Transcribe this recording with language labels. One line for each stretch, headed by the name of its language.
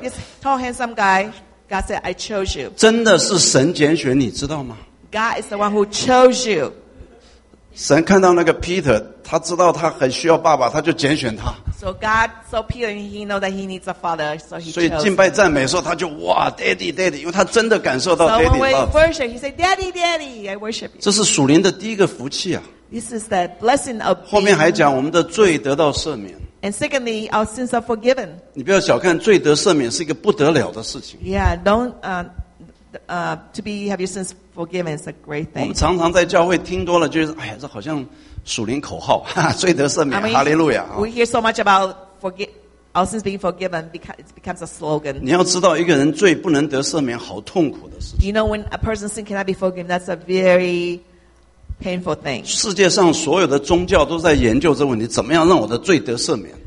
English: This tall, handsome guy, God said, I chose you.
Chinese: 真的是神拣选你，知道吗？
English: God is the one who chose you.
Chinese: 神看到那个 Peter, 他知道他很需要爸爸，他就拣选他。
English: So God saw Peter, and he knows that he needs a father, so he chose him.
Chinese: 所以敬拜赞美的时候，他就哇 ，
English: Daddy, Daddy，
Chinese: 因为他真的感受到
English: Daddy love. So when he worshiped, he said, "Daddy, Daddy, I worship you."
Chinese: 这是属灵的第一个福气啊。
English: This is the blessing of.
Chinese: 后面还讲我们的罪得到赦免。
English: And secondly, our sins are forgiven.
Chinese: 你不要小看罪得赦免是一个不得了的事情。
English: Yeah, don't to be have your sins forgiven is a great thing.
Chinese: 我们常常在教会听多了，就是哎呀，这好像属灵口号，哈哈，罪得赦免，哈利路亚。
English: We hear so much about forgive our sins being forgiven because it becomes a slogan.
Chinese: 你要知道，一个人罪不能得赦免，好痛苦的事情。
English: You know when a person's sin cannot be forgiven, that's a very painful thing.
Chinese: 世界上所有的宗教都在研究这问题，怎么样让我的罪得赦免？